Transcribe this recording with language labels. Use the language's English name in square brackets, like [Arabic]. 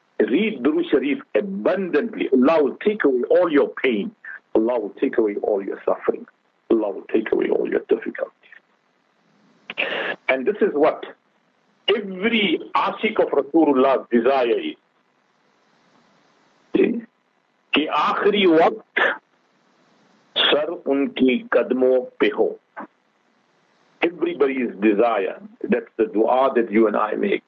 [English] Read درود شریف abundantly. Allah will take away all your pain. Allah will take away all your suffering. Allah will take away all your difficulties. And this is what every عاشق of Rasulullah's desire is. [Urdu] کہ آخری وقت سر ان کی قدموں پہ ہو. [English] Everybody's desire, that's the dua that you and I make.